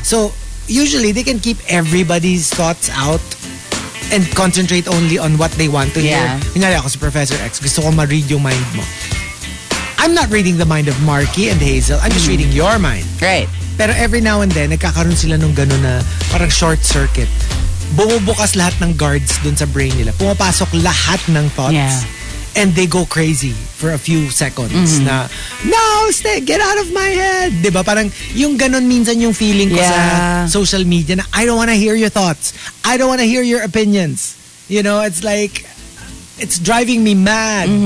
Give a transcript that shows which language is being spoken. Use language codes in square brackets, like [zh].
[en] So, usually, they can keep everybody's thoughts out and concentrate only on what they want to hear. [tl] Kunyari ako si Professor X, gusto ko ma-read yung mind mo. [en] I'm not reading the mind of Marky and Hazel. I'm just reading your mind. Right. [tl] Pero [en] every now and then, [tl] nagkakaroon sila nung gano'n na parang [en] short circuit. [tl] Bumubukas lahat ng guards dun sa brain nila. Pumapasok lahat ng thoughts. [en] Yeah. And they go crazy for a few seconds na, no, stay, get out of my head. Diba? [tl] Parang yung ganon minsan yung feeling ko sa social media na, [en] I don't wanna hear your thoughts. I don't wanna hear your opinions. You know, it's like, it's driving me mad.